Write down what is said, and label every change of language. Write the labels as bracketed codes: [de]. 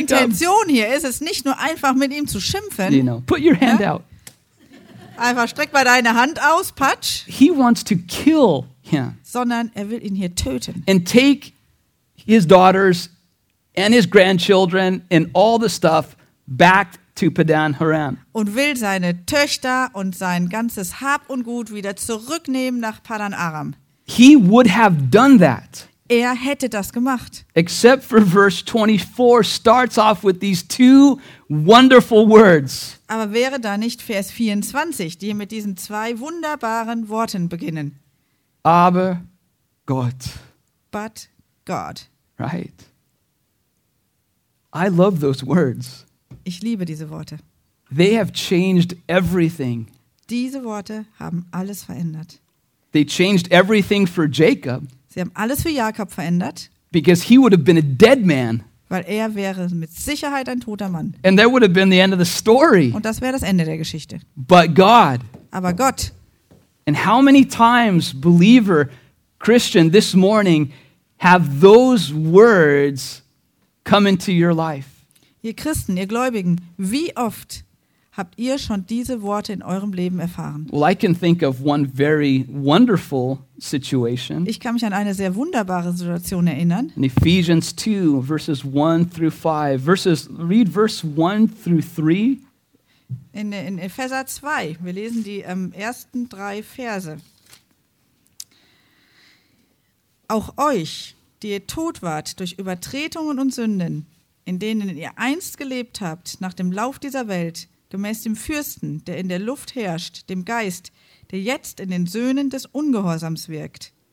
[de] Intention hier ist es nicht nur einfach mit ihm zu schimpfen. [en] You know, put your hand out. [de] Einfach streck mal deine Hand aus, Patsch. [en] He wants to kill him. [de] Sondern er will ihn hier töten. [en] And take his daughters and his grandchildren and all the stuff back to Padan Aram. [de] Und will seine Töchter und sein ganzes Hab und Gut wieder zurücknehmen nach Padan Aram. [en] He would have done that. [de] Er hätte das gemacht. [en] Except for verse 24 starts off with these two wonderful words. [de] Aber wäre da nicht Vers 24, die mit diesen zwei wunderbaren Worten beginnen? Aber Gott. [en] But God. Right. I love those words. [de] Ich liebe diese Worte. [en] They have changed everything. [de] Diese Worte haben alles verändert. [en] They changed everything for Jacob. [de] Sie haben alles für Jakob verändert. [en] Because he would have been a dead man. [de] Weil er wäre mit Sicherheit ein toter Mann. [en] And that would have been the end of the story. [de] Und das wäre das Ende der Geschichte. [en] But God. [de] Aber Gott. [en] And how many times, believer, Christian, this morning, have those words come into your life? [de] Ihr Christen, ihr Gläubigen, wie oft habt ihr schon diese Worte in eurem Leben erfahren? [en] Well, I can think of one very wonderful situation. [de] Ich kann mich an eine sehr wunderbare Situation erinnern. [en] In Ephesians 2, verses 1 through 5. Verses, read verse 1 through 3. [de] In Epheser 2, wir lesen die ersten drei Verse. Auch euch, die ihr tot wart durch Übertretungen und Sünden, in denen ihr einst gelebt habt, nach dem Lauf dieser Welt, gemäß dem Fürsten, der in der Luft herrscht, dem Geist, der jetzt in den Söhnen des Ungehorsams wirkt.